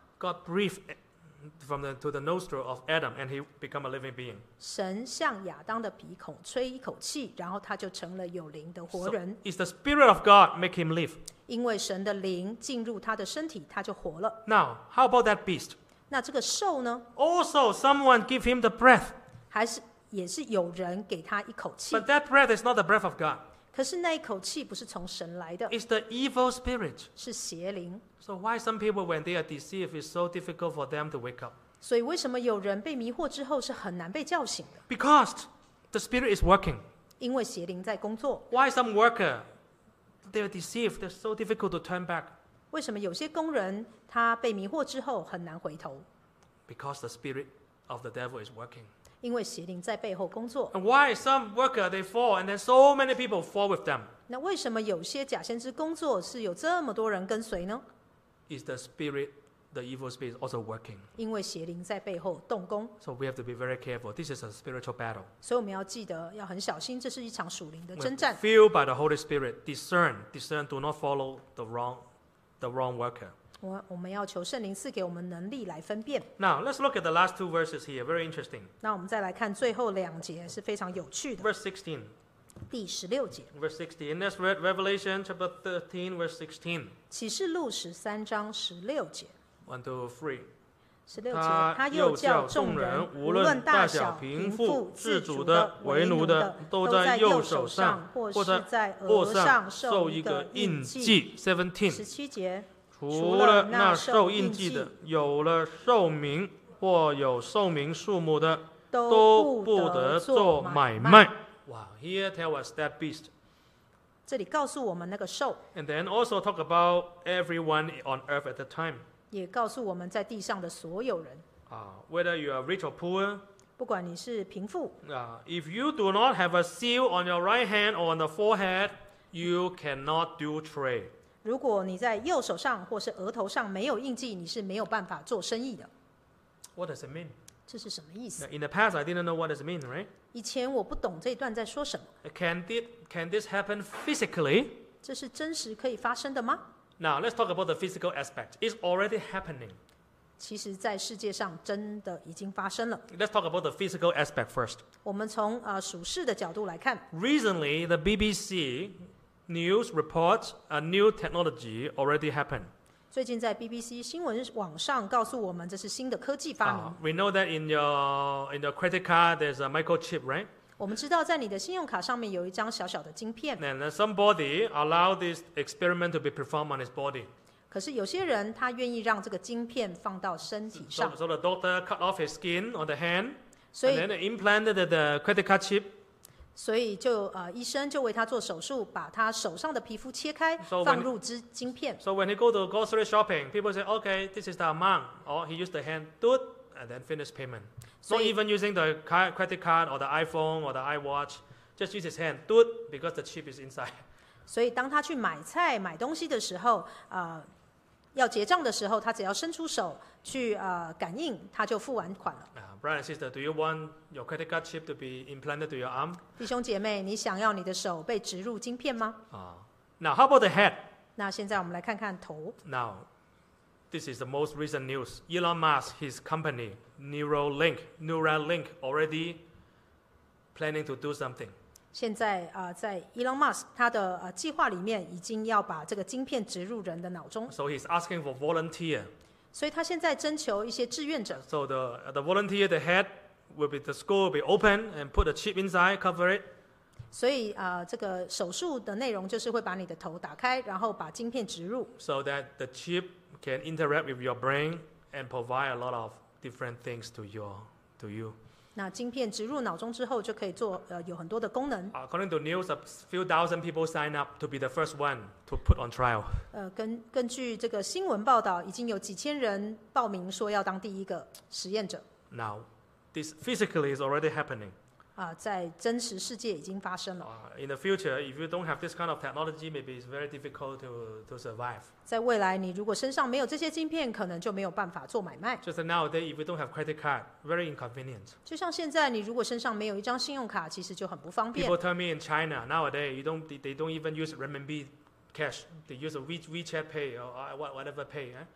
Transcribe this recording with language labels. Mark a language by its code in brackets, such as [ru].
[en] God breathed from the to the nostril of Adam, and he become a living being. [zh] 神向亚当的鼻孔吹一口气，然后他就成了有灵的活人。 [en] So, is the spirit of God make him live? [zh] 因为神的灵进入他的身体，他就活了。 [en] Now, how about that beast? [zh] 那这个兽呢？ [en] Also, someone give him the breath. [zh] 还是也是有人给他一口气。 [en] But that breath is not the breath of God. [zh] 可是那一口气不是从神来的。 [en] It's the evil spirit. [zh] 是邪灵。 [en] So why some people when they are deceived is so difficult for them to wake up? [zh] 所以为什么有人被迷惑之后是很难被叫醒的？ [en] Because the spirit is working. [zh] 因为邪灵在工作。 [en] Why some worker they are deceived, they're so difficult to turn back. [zh] 为什么有些工人他被迷惑之后很难回头？ [en] Because the spirit of the devil is working. [zh] 因为邪灵在背后工作。 [en] And why some worker they fall and then so many people fall with them? [zh] 那为什么有些假先知工作是有这么多人跟随呢？ [en] Is the spirit, the evil spirit, also working? [zh] 因为邪灵在背后动工。 [en] So we have to be very careful. This is a spiritual battle. [zh] 所以我们要记得要很小心，这是一场属灵的征战。 [en] Filled by the Holy Spirit, discern, do not follow the wrong worker. [zh] 我们要求圣灵赐给我们能力来分辨。 [en] Now let's look at the last two verses here. Very interesting. [zh] 那我们再来看最后两节是非常有趣的。 [en] Verse 16. [zh] 第十六节。 [en] Verse 16. Let's read Revelation chapter 13, verse 16. [zh] 启示录十三章十六节。 [en] One, two, three. [zh] 十六节，他又叫众人，无论大小、贫富、自主的、为奴的，都在右手上，或是在额上受一个印记。17。十七节，除了那受印记的，有了寿命或有寿命数目的，都不得做买卖。 [en] Wow, here tell us that beast. [zh] 这里告诉我们那个兽。 [en] And then also talk about everyone on earth at the time. [zh] 也告诉我们在地上的所有人。 [en] Whether you are rich or poor. [zh] 不管你是贫富。 [en] If you do not have a seal on your right hand or on the forehead, you cannot do trade. [zh] 如果你在右手上或是额头上没有印记，你是没有办法做生意的。 [en] What does it mean? [zh] 这是什么意思？ [en] Now, in the past, I didn't know what does it mean, right? [zh] 以前我不懂这段在说什么。 [en] Can this happen physically? [zh] 这是真实可以发生的吗？ [en] Now, let's talk about the physical aspect. It's already happening. [zh] 其实在世界上真的已经发生了。 [en] Let's talk about the physical aspect first. [zh] 我们从属世的角度来看。 [en] Recently, the BBC news reports a new technology already happened. [zh] 最近在 BBC 新闻网上告诉我们，这是新的科技发明。 [en] We know that in your credit card there's a microchip, right? [zh] 我们知道在你的信用卡上面有一张小小的晶片。 [en] And somebody allowed this experiment to be performed on his body. [zh] 可是有些人他愿意让这个晶片放到身体上。 [en] So the doctor cut off his skin on the hand, and then implanted the credit card chip. [zh] 所以就医生就为他做手术，把他手上的皮肤切开， [en] so、when, [zh] 放入支晶片。 [en] So when he go to grocery shopping, people say, okay, this is the amount, or he use the hand, do it, and then finish payment. Not even using the credit card or the iPhone or the iWatch, just use his hand, do it, because the chip is inside. [zh] 所以当他去买菜买东西的时候，要结账的时候，他只要伸出手去感应，他就付完款了。 [en] Brother and sister, do you want your credit card chip to be implanted to your arm? [zh] 弟兄姐妹，你想要你的手被植入晶片吗？ [en] Now, how about the head? [zh] 那现在我们来看看头。 [en] Now, this is the most recent news. Elon Musk, his company, Neuralink, already planning to do something. [zh] 现在在 Elon Musk 他的计划里面，已经要把这个晶片植入人的脑中。 [en] So he's asking for volunteer. [zh] 所以他现在征求一些志愿者。 [en] So the volunteer, the head will be the skull will be open and put a chip inside, cover it. [zh] 所以这个手术的内容就是会把你的头打开，然后把晶片植入。 [en] So that the chip can interact with your brain and provide a lot of different things to you. [zh] 那晶片植入脑中之后，就可以做有很多的功能。 [en] According to news, a few thousand people sign up to be the first one. To put on trial. [zh] 根据这个新闻报道，已经有几千人报名说要当第一个实验者。 [en] Now, this physically is already happening. [zh] 在真实世界已经发生了。 [en] In the future, if you don't have this kind of technology, maybe it's very difficult to survive. [zh] 在未来，你如果身上没有这些晶片，可能就没有办法做买卖。 [en] Just nowadays, if you don't have credit card, very inconvenient. [zh] 就像现在，你如果身上没有一张信用卡，其实就很不方便。 [en] People tell me in China nowadays, they don't even use renminbi. Cash, they use a WeChat Pay or whatever pay.